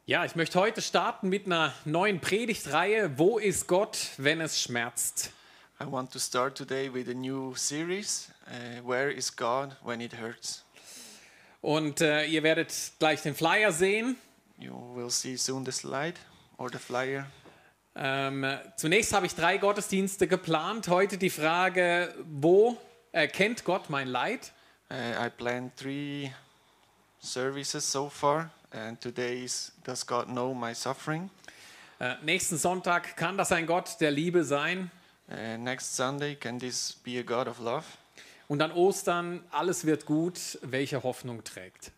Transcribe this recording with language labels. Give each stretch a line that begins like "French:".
German: Ja, ich möchte heute starten mit einer neuen Predigtreihe. Wo ist Gott, wenn es schmerzt?
English: I want to start today with a new series. Where is God when it hurts?
German: Und ihr werdet gleich den Flyer sehen.
English: You will see soon the slide or the flyer.
German: Zunächst habe ich drei Gottesdienste geplant. Heute die Frage, wo erkennt Gott mein Leid?
English: I planned three services so far. And today is, does God know my suffering?
German: Nächsten Sonntag kann das ein Gott der Liebe sein.
English: Next Sunday can this be a God of love?
German: Und an Ostern alles wird gut, welche Hoffnung trägt?